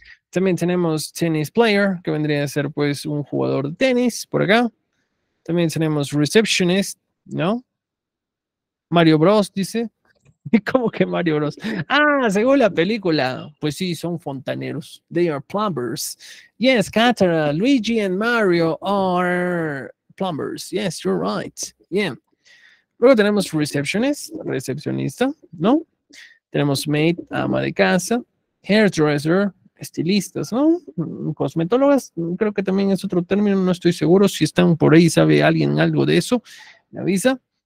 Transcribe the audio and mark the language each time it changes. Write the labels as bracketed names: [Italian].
[Spanish] También tenemos tennis player, que vendría a ser pues un jugador de tenis, por acá. También tenemos receptionist, ¿no? Mario Bros, dice. ¿Cómo que Mario Bros? Ah, según la película, pues sí, son fontaneros. [English] They are plumbers. Yes, Katara, Luigi and Mario are plumbers. Yes, you're right. Yeah. [Spanish] Luego tenemos receptionist, recepcionista, ¿no? Tenemos maid, ama de casa, hairdresser, estilistas, ¿no? Cosmetólogas, creo que también es otro término, no estoy seguro. Si están por ahí, sabe alguien algo de eso, me avisa.